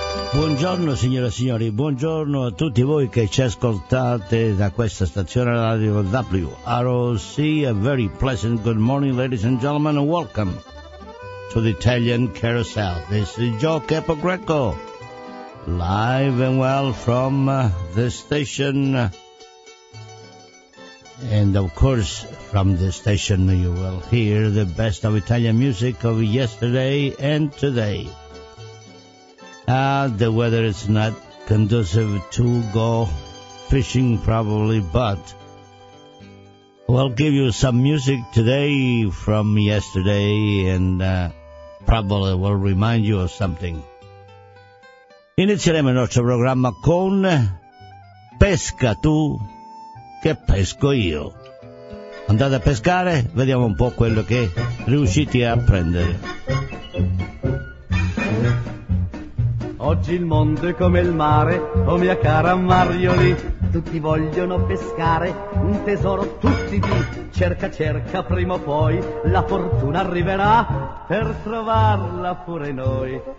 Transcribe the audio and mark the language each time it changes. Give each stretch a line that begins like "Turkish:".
Italian: Buongiorno signore e signori, buongiorno a tutti voi che ci ascoltate da questa stazione radio WROC.
English: A very pleasant good morning, ladies and gentlemen, and welcome to the Italian Carousel. This is Joe Capogreco, live and well from the station. And of course, from the station you will hear the best of Italian music of yesterday and today. The weather is not conducive to go fishing probably, but we'll give you some music today from yesterday and probably will remind you of something.
Italian: Inizieremo il nostro programma con Pesca tu che pesco io. Andate a pescare, vediamo un po' quello che riuscite a prendere. Oggi il mondo è come il mare, oh mia cara Marioli, tutti vogliono pescare un tesoro, tutti di cerca cerca, prima o poi la fortuna arriverà per trovarla pure noi.